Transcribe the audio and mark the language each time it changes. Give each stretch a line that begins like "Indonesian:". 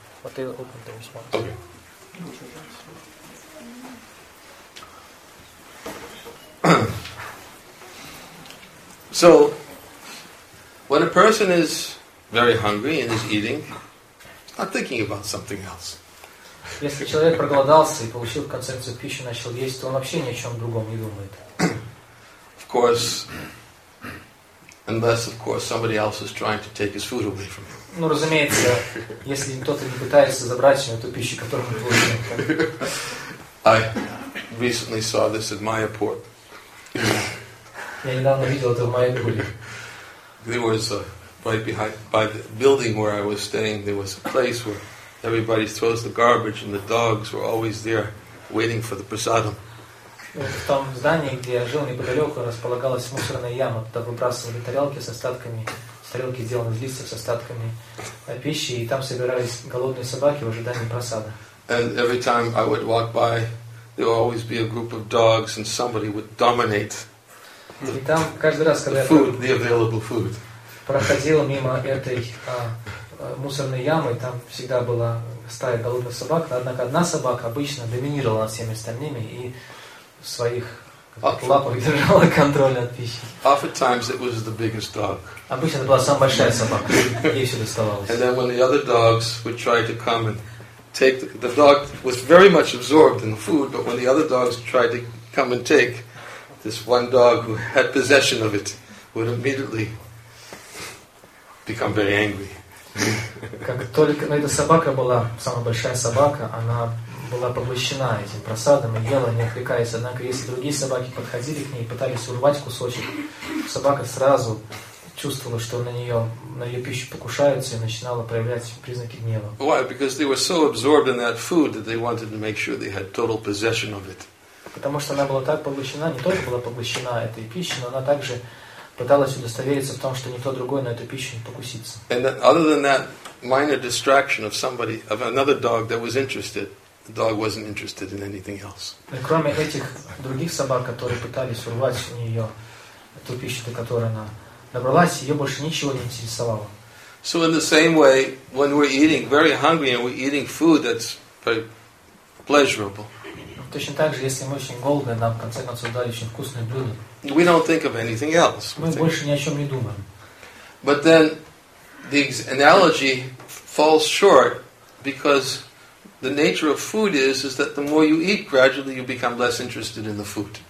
English: But they'll open those ones. Okay. So, when a person is very hungry and is eating, he's not thinking about something else.
Russian: Если человек проголодался и получил концепцию пищи, начал есть, то он вообще ни о чем другом не думает.
English: Of course. Unless, of course, somebody else is trying to take his food away from him.
Russian: Ну, разумеется, если кто-то не пытается забрать эту пищу, которую он получил.
English: I recently saw this at Mayapur.
Russian: Я недавно видел это в Майапуре.
English: There was right behind by the building where I was staying, there was a place where everybody throws the garbage, and the dogs were always there waiting for the prasadam.
Russian: В том здании, где я жил, неподалеку располагалась мусорная яма. Туда выбрасывали тарелки с остатками, тарелки, сделанные из листьев, с остатками пищи, и там собирались голодные собаки в ожидании просада.
English: And every time I would walk by, there would always be a group of dogs, and somebody would dominate the available food.
Russian: Проходил мимо этой мусорной ямы, и там всегда была стая голодных собак, однако одна собака обычно доминировала над всеми остальными, и своих лапах держала контроль над пищей.
English: Oftentimes it was the biggest dog.
Russian: Обычно это была самая большая собака, ей все доставалось.
English: And then when the other dogs would try to come and take the dog was very much absorbed in the food, but when the other dogs tried to come and take, this one dog who had possession of it would immediately become very angry.
Russian: Как только эта собака была самая большая собака, она была поглощена этим просадом и ела, не отвлекаясь. Однако, если другие собаки подходили к ней и пытались урвать кусочек, собака сразу чувствовала, что на ее пищу покушаются, и начинала проявлять признаки гнева.
English: Why? Because they were so absorbed in that food that they wanted to make sure they had total possession of it.
Russian: Потому что она была так поглощена, не только была поглощена этой пищей, но она также пыталась удостовериться в том, что никто другой на эту пищу не покусится.
English: And that, other than that minor distraction of somebody, of another dog that was interested, the dog wasn't interested in anything else.
Russian: Кроме этих других собак, которые пытались урвать у нее ту пищу, до которой она добралась, ее больше ничего не интересовало.
English: So in the same way, when we're eating very hungry and we're eating food that's very pleasurable.
Russian: Точно так же, если мы очень голодны, нам в конце концов дали очень вкусное блюдо.
English: We don't think of anything else.
Russian: Мы больше ни о чем не думаем.
English: But then the analogy falls short because the nature of food is that the more you eat, gradually you become less interested in the food.